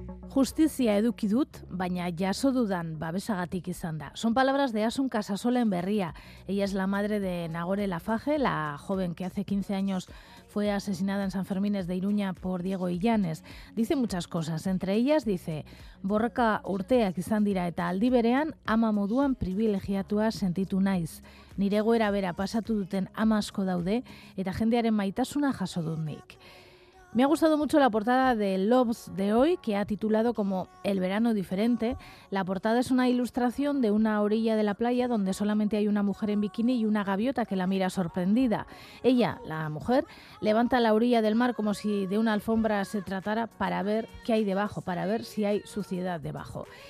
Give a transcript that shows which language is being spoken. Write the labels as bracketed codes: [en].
[eu] Justicia eduki dut, baina jaso dudan babesagatik izan da. [es] Son palabras de Asun Casasola en Berria. Ella es la madre de Nagore Lafaje, la joven que hace 15 años fue asesinada en San Fermines de Iruña por Diego Illanes. Dice muchas cosas, entre ellas dice: [eu] borroka urteak izan dira eta aldi berean ama moduan privilegiatua sentitu naiz. Nire egoera bera pasatu duten ama asko daude eta jendearen maitasuna jaso dut nik. [es] Me ha gustado mucho la portada de Loves de hoy, que ha titulado como El verano diferente. La portada es una ilustración de una orilla de la playa donde solamente hay una mujer en bikini y una gaviota que la mira sorprendida. Ella, la mujer, levanta la orilla del mar como si de una alfombra se tratara para ver qué hay debajo, para ver si hay suciedad debajo.